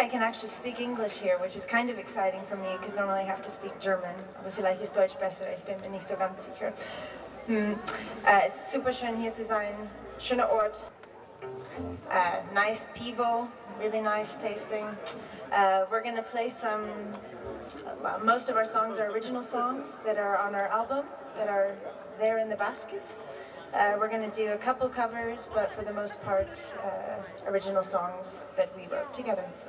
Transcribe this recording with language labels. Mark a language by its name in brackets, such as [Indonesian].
[English] Speak English here, which is kind of exciting for me because normally I have to speak German. [German] Aber vielleicht ist Deutsch besser, ich bin mir nicht so ganz sicher. Es ist super schön hier zu sein, schöner Ort. [English] Nice Pivo, really nice tasting. We're gonna play some, well, most of our songs are original songs that are on our album, that are there in the basket. We're gonna do a couple covers, but for the most part, original songs that we wrote together.